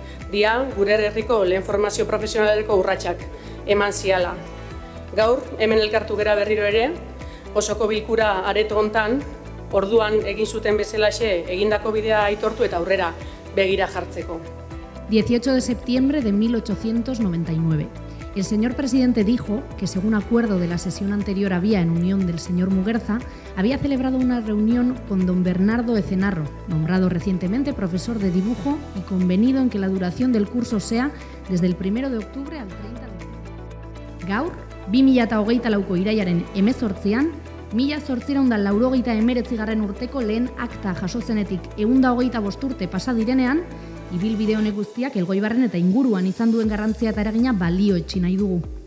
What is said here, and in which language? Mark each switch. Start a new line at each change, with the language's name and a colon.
Basque: Dia, gure herriko lehen formazio profesionaleko urratsak eman ziala. Gaur, hemen elkartu gera berriro ere, osoko bilkura areto hontan, orduan egin zuten bezalaxe egindako bidea aitortu eta aurrera begira jartzeko.
Spanish: 18 de septiembre de 1899. El señor presidente dijo que, según acuerdo de la sesión anterior, había en unión del señor Muguerza, había celebrado una reunión con don Bernardo Ecenarro, nombrado recientemente profesor de dibujo, y convenido en que la duración del curso sea desde el 1 de octubre al 30 de octubre.
Basque: Gaur, 2024ko irailaren 18an, 1889garren urteko lehen akta jaso zenetik 125 urte pasa direnean, ibilbide honek guztiak Elgoibarren eta inguruan izan duen garrantzia eta eragina balioetsi nahi dugu.